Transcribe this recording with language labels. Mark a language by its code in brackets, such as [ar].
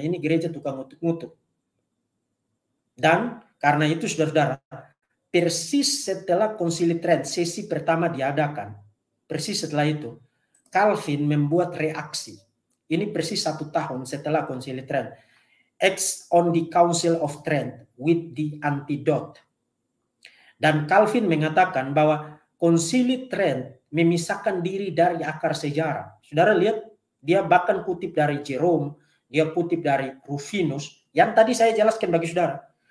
[id] Ini gereja tukang ngutuk-ngutuk. Dan karena itu saudara-saudara, persis setelah Konsili Trent, sesi pertama diadakan, persis setelah itu, Calvin membuat reaksi. Ini persis satu tahun setelah Konsili Trent. [en] Ex on the Council of Trent with the antidote. [id] Dan Calvin mengatakan bahwa Konsili Trent memisahkan diri dari akar sejarah. Saudara lihat, dia bahkan kutip dari Jerome, dia kutip dari Rufinus, yang tadi saya jelaskan bagi saudara.